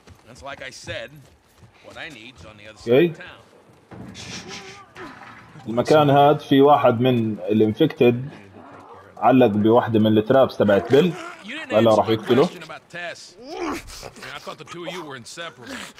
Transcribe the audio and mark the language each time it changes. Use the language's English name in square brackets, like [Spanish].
[English] It's like I said, what I need is on the other side of town. [Arabic] المكان هاد في واحد من الانفكتد علق بواحدة من الترابس تبعت بيل، ولا راح يقتله. [English] I thought the two of you were inseparable.